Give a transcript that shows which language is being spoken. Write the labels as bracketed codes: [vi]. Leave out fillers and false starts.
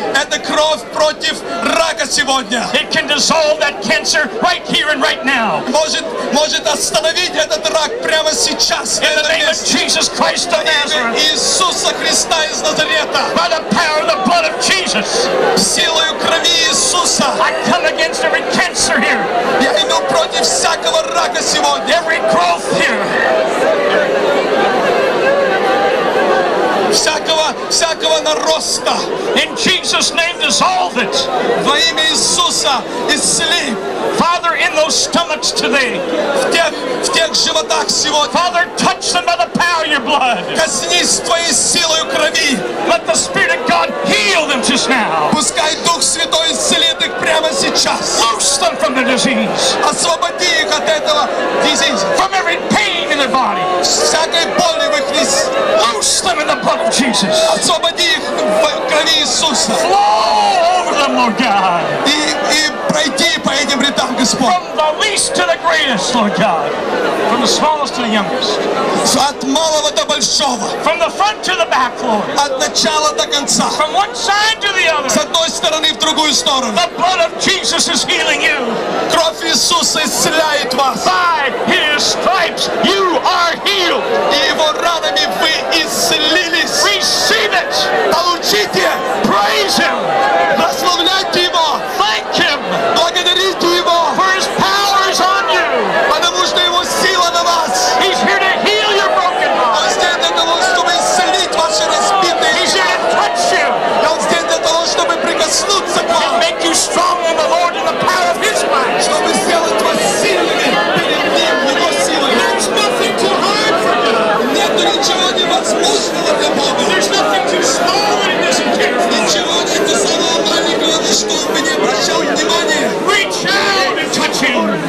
[en] It can dissolve that cancer right here and right now. In the name of Jesus Christ of Nazareth, by the power of the blood of Jesus, I come against every cancer here. [ru] Я иду против всякого рака сегодня. [en] Every growth here. [ru] Всякого нароста. [en] In Jesus' name, dissolve it. [ru] Во имя Иисуса, исцели. [en] Father, in those stomachs today. [ru] В тех животах сегодня. [en] Father, touch them by the power of your blood. [ru] Коснись твоей силой крови. [en] Let the Spirit of God heal them just now. [ru] Пускай Дух Святой исцелит их прямо сейчас. [en] Loose them from the disease. [ru] Освободи их от этого disease. [en] From every pain in their body. [ru] Всякой боли в их лице. [en] Loose them in the blood of Jesus. [ru] Освободи их в крови Иисуса. [en] Flow over them, Lord God. [ru] И пройди по этим рядам, Господь. [en] From the least to the greatest, Lord God. From the smallest to the youngest. [ru] От малого до большого. [en] From the front to the back, Lord. [ru] От начала до конца. [en] From one side to the other. [ru] С одной стороны в другую сторону. [en] The blood of Jesus is healing you. [ru] Кровь Иисуса исцеляет вас. [en] By His stripes you are healed. [ru] И Его ранами вы исцелились. [en] Receive it. [ru] Получите. [en] Praise Him. [ru] Прославляйте Его. [en] Thank Him. [ru] Благодарите Его. [en] For His power is on you. [ru] Потому что Его сила на вас. [en] He's here to heal your broken heart. [ru] Он здесь для того, чтобы исцелить ваши разбитые. [en] He's here to touch you. [ru] Он здесь для того, чтобы прикоснуться к вам. [en] And make you strong in the Lord and the power of His might. [ru] Чтобы сделать вас сильными перед Ним, Его силой. [en] There's nothing too hard for God. [ru] Нету ничего невозможного для Бога. [en] There's nothing too small in this kingdom. [ru] Ничего нету самого маленького, на что Он бы не обращал внимания. [en] Reach out and touch Him.